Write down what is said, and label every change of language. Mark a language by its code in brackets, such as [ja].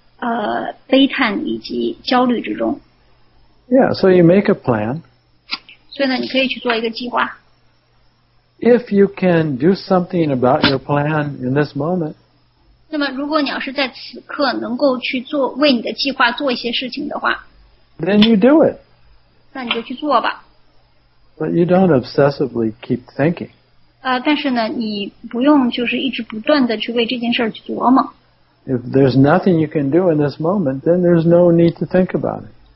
[zh] 这样的话就会使这个生物体被困在了悲叹以及焦虑之中。 [en] Yeah, so you make a plan. [zh] 所以呢，你可以去做一个计划。 [en] If you can do something about your plan in this moment. [zh] 那么如果你要是在此刻能够去做，为你的计划做一些事情的话。 [en] Then you do it. [zh] 那你就去做吧。 [en] But you don't obsessively keep thinking. [zh] 但是呢，你不用就是一直不断的去为这件事去琢磨。 [en] If there's nothing you can do in this moment, then there's no need to think about it.